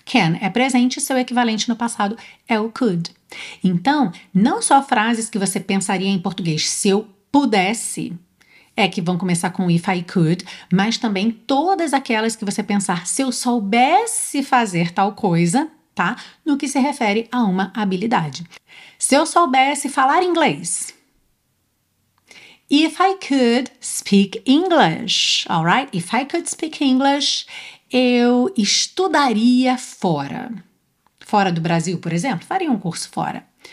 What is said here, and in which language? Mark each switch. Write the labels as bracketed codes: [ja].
[pt] Can é presente, seu equivalente no passado é o could. Então, não só frases que você pensaria em português, se eu pudesse. É que vão começar com [en] if I could, [pt] mas também todas aquelas que você pensar se eu soubesse fazer tal coisa, tá? No que se refere a uma habilidade. Se eu soubesse falar inglês. [en] If I could speak English, alright? If I could speak English, [pt] eu estudaria fora. Fora do Brasil, por exemplo, faria um curso fora.